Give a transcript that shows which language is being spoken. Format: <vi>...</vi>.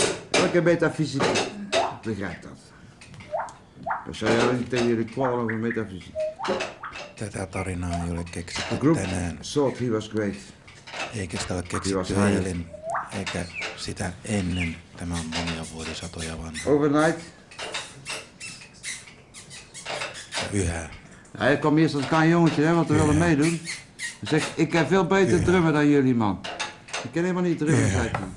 <nl>Welke metafysiek begrijpt dat? Dan zou je wel niet tegen jullie kwallen over metafysiek.</nl> <fi>Tätä tarinaa ei ole keksitty tänään.</fi> <en>Thought he was great.</en> <fi>Eikä sitä ole keksitty eilen, eikä sitä ennen. Tämä on monia vuosisatoja vanha.</fi> <en>Overnight.</en> <fi>Ja yhä.</fi> <nl>Hij kwam eerst als klein jongetje, hè, want we willen meedoen. Hij zegt, ik ken veel beter drummen dan jullie, man. Ik ken helemaal niet drummen, zei ik.</nl>